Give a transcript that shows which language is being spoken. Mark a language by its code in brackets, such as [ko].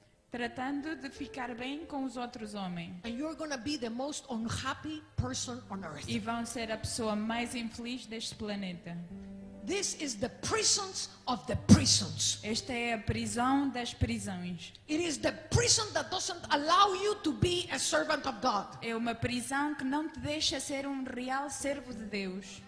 [pt] Tratando de ficar bem com os outros homens. [en] And you're going to be the most unhappy person on earth. [pt] E vão ser a pessoa mais infeliz deste planeta. [en] This is the prisons of the prisons. [pt] Esta é a prisão das prisões. [en] It is the prison that doesn't allow you to be a servant of God. [pt] É uma prisão que não te deixa ser real servo de Deus.